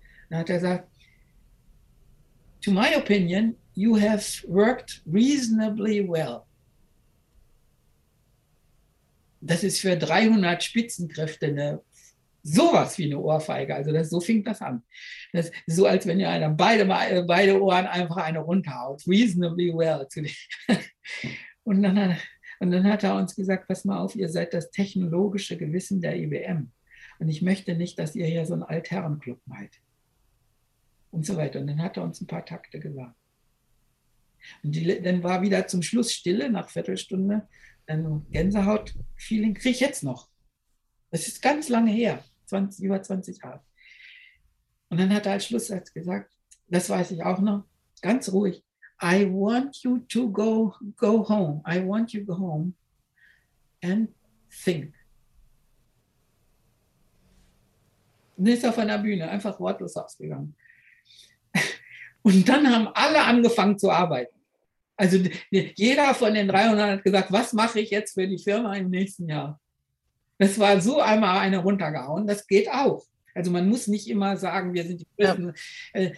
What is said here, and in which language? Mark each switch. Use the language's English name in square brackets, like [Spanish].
[German] Dann hat er gesagt, [English] to my opinion, you have worked reasonably well. [German] Das ist für 300 Spitzenkräfte eine sowas wie eine Ohrfeige. Also das, so fing das an. Das ist so, als wenn ihr einer beide Ohren einfach eine runterhaut. [English] Reasonably well. [German] Und dann hat er uns gesagt, pass mal auf, ihr seid das technologische Gewissen der IBM. Und ich möchte nicht, dass ihr hier so einen Altherrenclub meint. Und so weiter. Und dann hat er uns ein paar Takte gesagt. Und dann war wieder zum Schluss Stille nach Viertelstunde. Dann Gänsehaut-Feeling kriege ich jetzt noch. Das ist ganz lange her, über 20 Jahre. Und dann hat er als Schlusssatz gesagt, das weiß ich auch noch, ganz ruhig, [English] I want you to go home. I want you to go home and think. [German] Und ist er von der Bühne einfach wortlos ausgegangen. Und dann haben alle angefangen zu arbeiten. Also jeder von den 300 hat gesagt, was mache ich jetzt für die Firma im nächsten Jahr? Das war so einmal eine runtergehauen, das geht auch. Also man muss nicht immer sagen, wir sind die Größten. Ja.